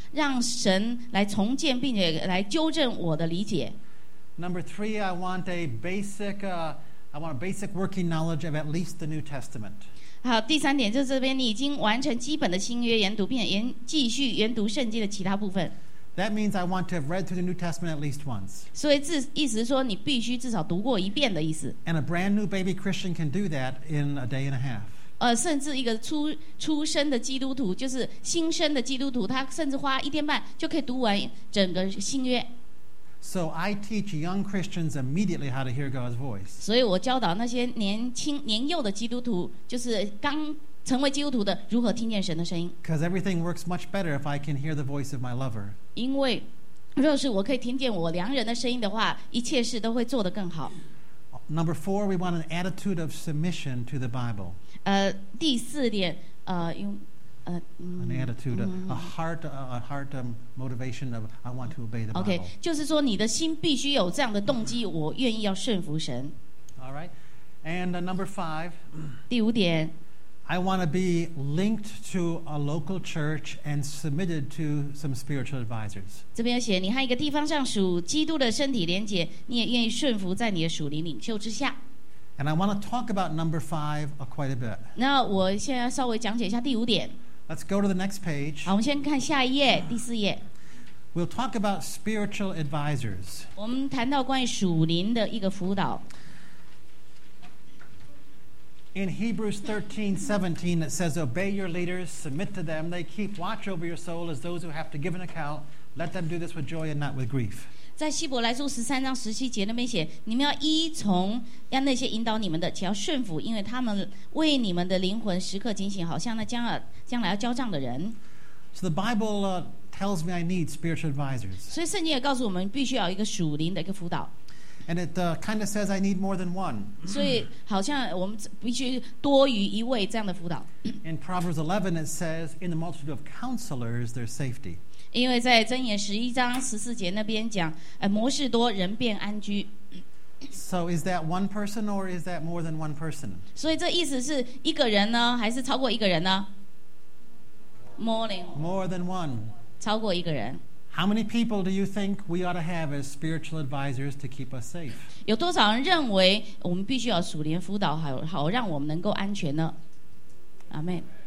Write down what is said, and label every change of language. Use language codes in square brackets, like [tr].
[zh] 让神来重建并且来纠正我的理解。 [en] Number three, I want a basic working knowledge of at least the New Testament. [zh] 好，第三点就是这边你已经完成基本的新约研读，并且继续研读圣经的其他部分。 [en] That means I want to have read through the New Testament at least once. [zh] 所以意思是说你必须至少读过一遍的意思。 [en] And a brand new baby Christian can do that in a day and a half. [zh] 甚至一个初生的基督徒，就是新生的基督徒，他甚至花一天半就可以读完整个新约。 [en] So I teach young Christians immediately how to hear God's voice. [zh] 所以我教导那些年幼的基督徒，就是刚成为基督徒的如何听见神的声音。 [en] Because everything works much better if I can hear the voice of my lover. [zh] 因为若是我可以听见我良人的声音的话，一切事都会做得更好。 [en] Number four, we want an attitude of submission to the Bible. [zh] 第四点， [en] an attitude, a heart motivation of I want to obey the Bible. [zh] Okay, 就是说你的心必须有这样的动机，我愿意要顺服神。 [en] All right, and number five. [zh] 第五点。 [en] I want to be linked to a local church and submitted to some spiritual advisors. [zh] 这边写你和一个地方上属基督的身体连结，你也愿意顺服在你的属灵领袖之下。 [en] And I want to talk about number five quite a bit. [zh] 那我现在稍微讲解一下第五点。 [en] Let's go to the next page. [zh] 好，我们先看下一页，第四页。 [en] We'll talk about spiritual advisors. [zh] 我们谈到关于属灵的一个辅导。 [en] In Hebrews 13:17, it says, obey your leaders, submit to them. They keep watch over your soul as those who have to give an account. Let them do this with joy and not with grief. [zh] 在希伯来书13章17节那边写，你们要依从要那些引导你们的，且要顺服，因为他们为你们的灵魂时刻警醒，好像那将来要交账的人。 [en] So the Bible tells me I need spiritual advisors. [zh] 所以圣经也告诉我们必须要有一个属灵的一个辅导。 [en] And it kind of says I need more than one. [zh] 所以好像我们必须多于一位这样的辅导。 [en] In Proverbs 11 it says, in the multitude of counselors, there's safety. [zh] 因为在箴言十一章十四节那边讲，谋士多，人便安居。 [en] So is that one person or is that more than one person? [zh] 所以这意思是一个人呢，还是超过一个人呢 [en] ？More than one. [zh] 超过一个人。 [en] How many people do you think we ought to have as spiritual advisors to keep us safe? [zh] 有多少人认为我们必须要属灵辅导好让我们能够安全呢 ？Amen.